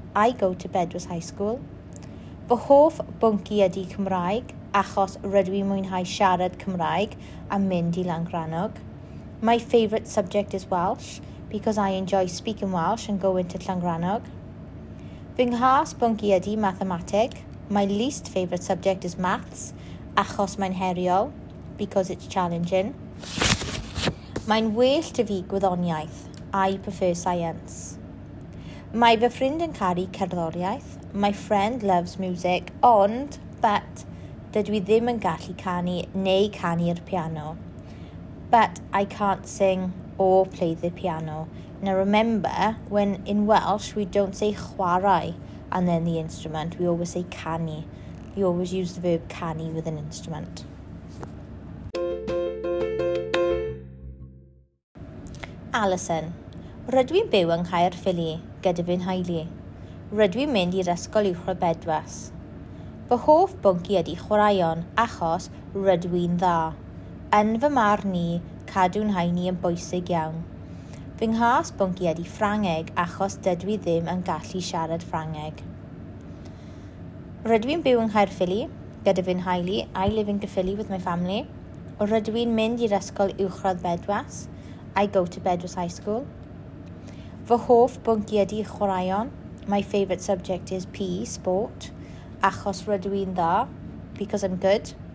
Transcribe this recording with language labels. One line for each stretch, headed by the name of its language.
English: I go to Bedwas High School.
Welsh: Fy hoff bwnci ydy Cymraeg, achos rydw i'n mwynhau siarad Cymraeg a mynd i Langrannog.
English: My favourite subject is Welsh, because I enjoy speaking Welsh and going to Langrannog.
Welsh: Fy nghas bwnci ydy mathemateg.
English: My least favourite subject is maths,
Welsh: achos mae'n heriol,
English: because it's challenging.
Welsh: Mae'n well dy fi gwyddoniaeth.
English: I prefer science.
Welsh: Mae fy ffrind yn caru cerddoriaeth.
English: My friend loves music,
Welsh: ond,
English: but,
Welsh: dydw i ddim yn gallu canu neu canu'r piano.
English: But I can't sing or play the piano. Now remember, when in Welsh we don't say chwarae and then the instrument, we always say canu. We always use the verb canu with an instrument. Alison.
Welsh: Rydw i'n byw yng Nghaerffili gyda fy nheulu. Rydw i'n mynd i'r ysgol uwchradd Bedwas. Fy hoff bwnci ydy chwaraeon achos rydw i'n dda. Yn fy marn i, cadw'n haini yn bwysig iawn. Fy nghas bwnci ydy Ffrangeg achos dydw i ddim yn gallu siarad Ffrangeg. Rydw i'n byw yng Nghaerffili gyda fy nheulu.
English: I live in Caerphilly with my family.
Welsh: Rydw i'n mynd i'r ysgol uwchradd Bedwas.
English: I go to Bedwas High School.
Welsh: Fy hoff bwnci ydy chwaraeon.
English: My favourite subject is PE, sport,
Welsh: achos rydw i'n dda,
English: because I'm good.